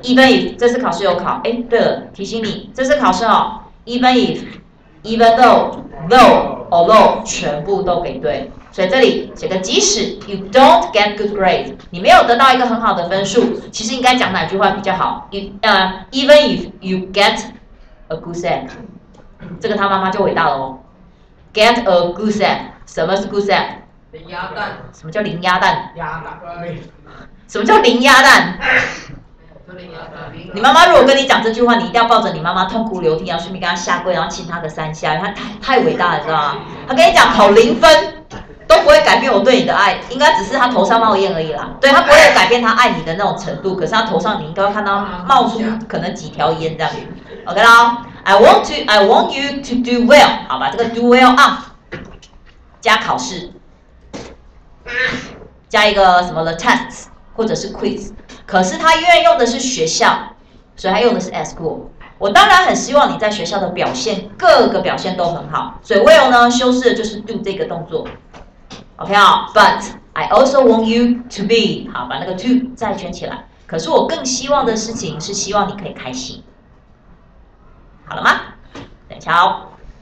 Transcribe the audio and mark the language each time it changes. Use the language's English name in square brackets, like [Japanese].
[English] Even if [Chinese] 这次考试有考，哎，对了，提醒你，这次考试哦 ， [English] Even if， even though， though， although， [Chinese] 全部都给对。所以这里写个即使 ， [English] You don't get good grades， [Chinese] 你没有得到一个很好的分数，其实应该讲哪句话比较好 ？ [English] Even if you get a goose egg， [Chinese] 这个他妈妈就伟大了哦。 [English] Get a goose egg， [Chinese] 什么是 goose egg？零鸭蛋？什么叫零鸭蛋？鸭蛋？什么叫零鸭蛋？你妈妈如果跟你讲这句话，你一定要抱着你妈妈痛哭流涕，然后顺便跟她下跪，然后亲她个三下，她太伟大了，知道吗？她跟你讲考零分都不会改变我对你的爱，应该只是她头上冒烟而已啦。对，她不会改变她爱你的那种程度，可是她头上你应该会看到冒出可能几条烟这样。 OK 啦 ， [English] I want you to do well， [Chinese] 好吧，这个 [English] do well on [Chinese] 加考试。加一个什么的 tests 或者是 quiz， 可是他因为用的是学校，所以他用的是 [English] at school。 [Chinese] 我当然很希望你在学校的表现，各个表现都很好。所以 will 呢修饰的就是 do 这个动作 ，OK 啊、哦。 [English] But I also want you to be [Chinese] 好，把那个 to 再圈起来。可是我更希望的事情是希望你可以开心，好了吗？等一下哦。